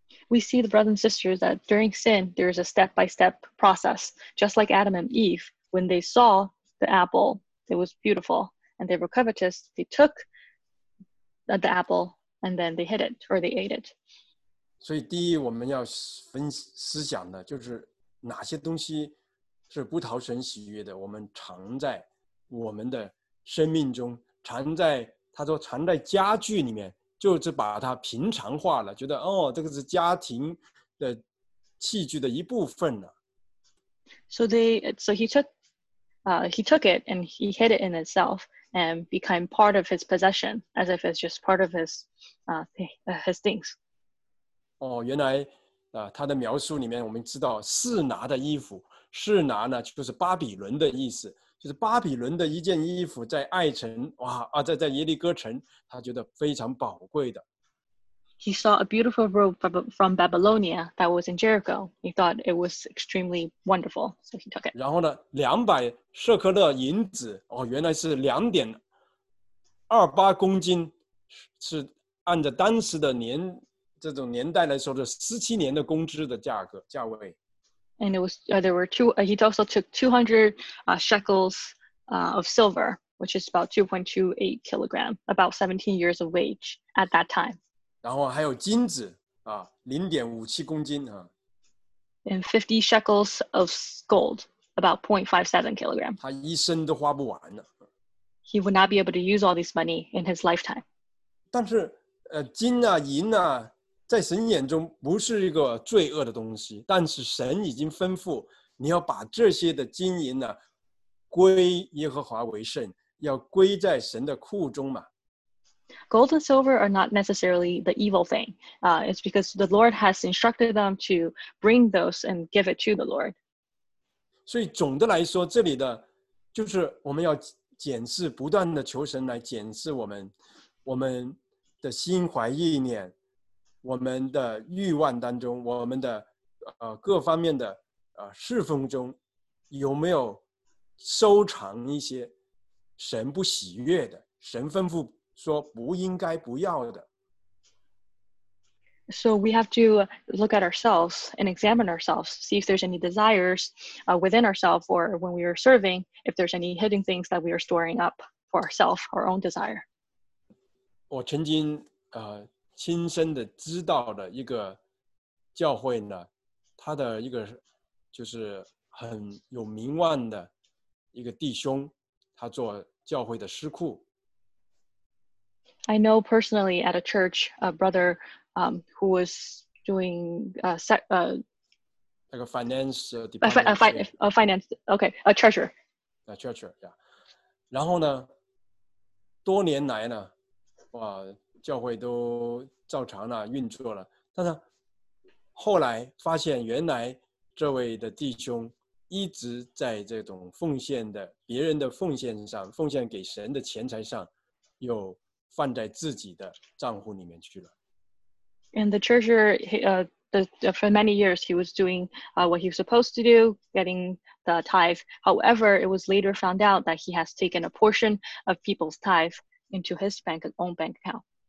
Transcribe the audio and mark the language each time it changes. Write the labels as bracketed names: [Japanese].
[English] We see the brothers and sisters that during sin, there is a step-by-step process. Just like Adam and Eve, when they saw the apple, it was beautiful.And they were covetous, they took the apple, and then they hit it or they ate it. [Chinese] 所以第一我们要分思想的就是哪些东西是不讨神喜悦的，我们藏在我们的生命中，藏在他说藏在家具里面，就是把它平常化了，觉得哦，这个是家庭的器具的一部分了。 [English] So he took it and he hid it in itself and became part of his possession as if it's just part of his things. [Chinese] 哦，原来他的描述里面我们知道示拿的衣服，示拿呢就是巴比伦的意思，就是巴比伦的一件衣服在爱城，哇啊，在耶利哥城，他觉得非常宝贵的。 [English] He saw a beautiful robe from Babylonia that was in Jericho. He thought it was extremely wonderful, so he took it. [Chinese] 然后呢，200舍克勒银子，哦，原来是2.28公斤，是按照当时的年这种年代来说的17年的工资的价格价位。 [English] And it was there were two. He also took 200 shekels of silver, which is about 2.28 kilogram, about 17 years of wage at that time. [Chinese] 然后还有金子啊，0.57公斤啊。 [English] And 50 shekels of gold, about 0.57 kilogram. [Chinese] 他一生都花不完了。 [English] He would not be able to use all this money in his lifetime. [Chinese] 但是，金啊，银啊。在神眼中不是一个罪恶的东西，但是神已经吩咐你要把这些的金银呢归耶和华为圣，要归在神的库中嘛。 [English] Gold and silver are not necessarily the evil thing. It's because the Lord has instructed them to bring those and give it to the Lord. [Chinese] 所以总的来说，这里的就是我们要检视，不断的求神来检视我们的心怀意念。我们的欲望当中，我们的各方面的侍奉中，有没有收藏一些神不喜悦的，神吩咐说不应该不要的。 [English] So we have to look at ourselves and examine ourselves, see if there's any desires within ourselves or when we are serving, if there's any hidden things that we are storing up for ourselves, our own desire. [Chinese] 我曾经亲身的知道的一个教会呢，他的一个就是很有名望的一个弟兄，他做教会的师库。 [English] I know personally at a church a brother who was doing like a finance department. A treasurer. A treasurer, yeah. [Chinese] 然后呢，多年来呢，哇，教会都照常了运作了，但是后来发现原来这位的弟兄一直在这种奉献的别人的奉献上，奉献给神的钱财上，又放在自己的账户里面去了。 [English] And the treasurer, for many years he was doing what he was supposed to do, getting the tithe. However, it was later found out that he has taken a portion of people's tithe into his own bank account.